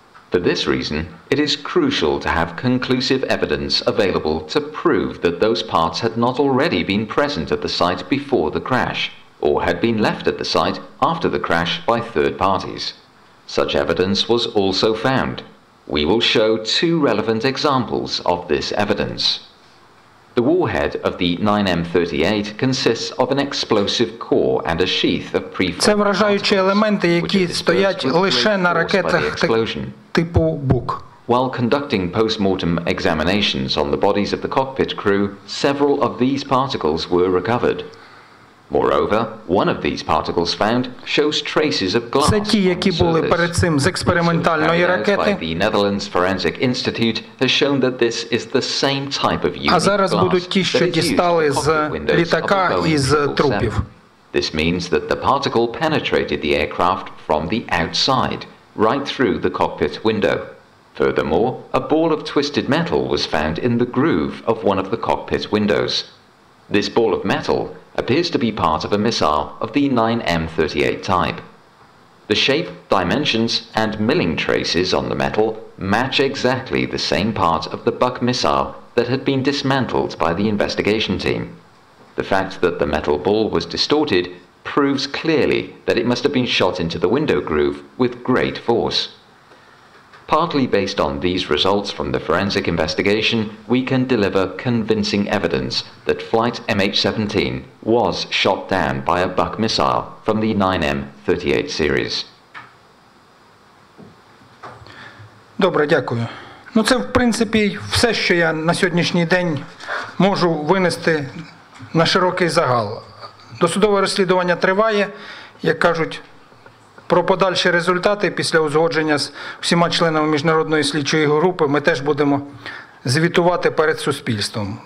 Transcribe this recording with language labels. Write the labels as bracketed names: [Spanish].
[English] For this reason, it is crucial to have conclusive evidence available to prove that those parts had not already been present at the site before the crash, or had been left at the site after the crash by third parties. Such evidence was also found. We will show two relevant examples of this evidence. The warhead of the 9M38 consists of an explosive core and a sheath of pre-formed. [Ukrainian] Це вражаючі елементи, які стоять лише на ракетах типу Бук. [English] While conducting post-mortem examinations on the bodies of the cockpit crew, several of these particles were recovered. Moreover, one of these particles found shows traces of glass. [Ukrainian] Це ті, які були перед цим з експериментальної ракети. [English] The Netherlands Forensic Institute has shown that this is the same type of unique glass. [Ukrainian] А зараз будуть ті, що дістали з літака і з трупів. [English] This means that the particle penetrated the aircraft from the outside, right through the cockpit window. Furthermore, a ball of twisted metal was found in the groove of one of the cockpit windows. This ball of metal appears to be part of a missile of the 9M38 type. The shape, dimensions, and milling traces on the metal match exactly the same part of the Buck missile that had been dismantled by the investigation team. The fact that the metal ball was distorted proves clearly that it must have been shot into the window groove with great force. Partly based on these results from the forensic investigation, we can deliver convincing evidence that Flight MH17 was shot down by a Buck missile from the 9M38 series. [Ukrainian] Добре, дякую. Ну це, в принципі, все, що я на сьогоднішній день можу винести на широкий загал. Досудове розслідування триває, як кажуть, про подальші результати після узгодження з усіма членами міжнародної слідчої групи ми теж будемо звітувати перед суспільством.